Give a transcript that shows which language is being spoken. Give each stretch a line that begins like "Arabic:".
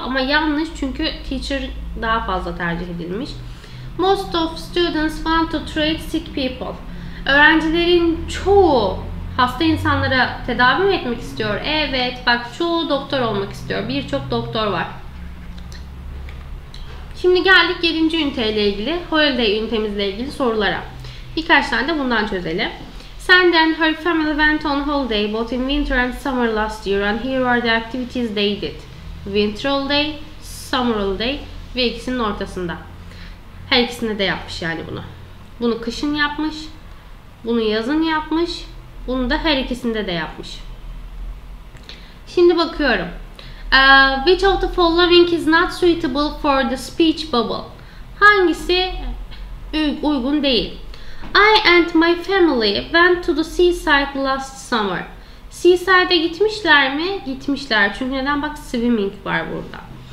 Turkish: Ama yanlış, çünkü teacher daha fazla tercih edilmiş.
English: Most of students want to treat sick people.
Turkish: Öğrencilerin çoğu hasta insanlara tedavi mi etmek istiyor? Evet, bak çoğu doktor olmak istiyor. Birçok doktor var. Şimdi geldik 7. üniteyle ilgili, holiday ünitemizle ilgili sorulara. Birkaç tane de bundan çözelim.
English: Sand and her family went on holiday both in winter and summer last year and here are the activities they did. Winter holiday, summer holiday
Turkish: ve ikisinin ortasında. Her ikisinde de yapmış yani bunu. Bunu kışın yapmış, bunu yazın yapmış, bunu da her ikisinde de yapmış. Şimdi bakıyorum.
English: Which of the following is not suitable for the speech bubble?
Turkish: Hangisi uygun değil?
English: I and my family went to the seaside last summer.
Turkish: Seaside'e gitmişler mi? Gitmişler. Çünkü neden? Bak, swimming var burada.